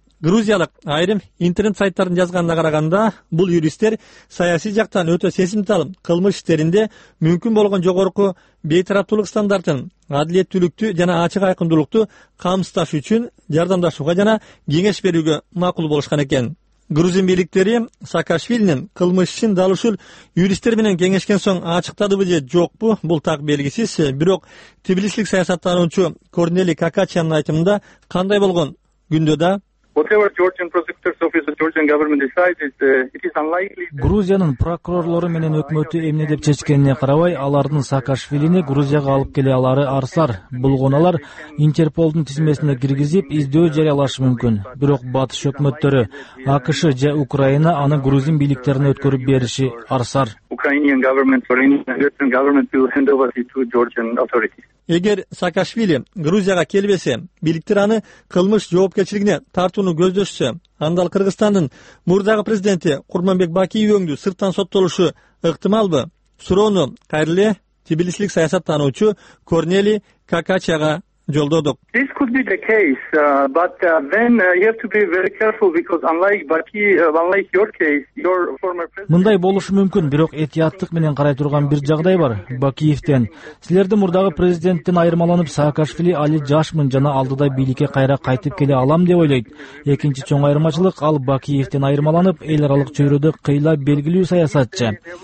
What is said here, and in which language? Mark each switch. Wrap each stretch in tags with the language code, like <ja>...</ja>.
<ky>Грузиялык айрым интернет сайттарын жазганына караганда, бул юристтер саясий жактан өтө сезимтал кылмыш иштеринде мүмкүн болгон жогорку бейтараптуулук стандартын, адилеттүүлүктү жана ачык айкындуулукту камсыздаш үчүн жардамдашууга жана кеңеш берүүгө макул болушкан экен. Грузин бийликтери Саакашвилинин кылмыш ишин дал ушул юристтер менен кеңешкен соң ачыктадыбы же жокпу, бул так белгисиз. Бирок тибилислик саясаттануучу Корнели Какачиянын айтымында кандай болгон күндө да</ky> <en>Whatever Georgian prosecutor's office or Georgian government decides, it is unlikely that...</en> <ky>Грузиянын прокурорлору менен өкмөтү эмне деп чечкенине карабай, алардын Саакашвилини Грузияга алып келе алары арсар. Бул гоналар Интерполдун тизмесине киргизип, издөө жарыялашы мүмкүн. Бирок батыш өкмөттөрү, АКШ же Украина аны грузин бийликтерине өткөрүп бериши арсар.</ky> <en>Ukrainian government or any Georgian government will hand over it to Georgian authorities.</en> <ky>Эгер Саакашвили Грузияга келбесе, бийликтер аны кылмыш жоопкерчилигине тартууну көздөшсө, анда Кыргызстандын мурдагы президенти Курманбек Бакиев өңдү сырттан соттолушу ыктымалбы? Суроону кайра эле тибилислик саясаттануучу Корнели Какачага жолдодук.</ky> <en>This could be the case, but then you have to be very careful because unlike Baki, unlike your case, your former president...</en> <ky>Мындай болушу мүмкүн, бирок этияттык менен карай турган бир жагдай бар. Бакиевден силерди мурдагы президенттен айырмаланып, Саакашвили али жашмын жана алдыда бийликке кайра кайтып келе алам деп ойлойт. Экинчи чоң айырмачылык, ал Бакиевден айырмаланып, эл аралык чөйрөдө кыйла белгилүү саясатчы.</ky>